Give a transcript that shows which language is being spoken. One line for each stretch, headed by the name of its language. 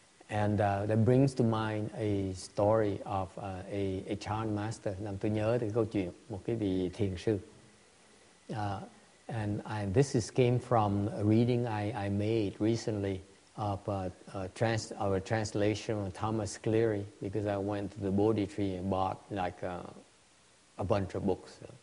English: And that brings to mind a story of a chan master.
Vietnamese: Làm tôi nhớ được câu chuyện một cái vị thiền sư.
English: And this is came from a reading I made recently of a translation of Thomas Cleary, because I went to the Bodhi Tree and bought like a bunch of books.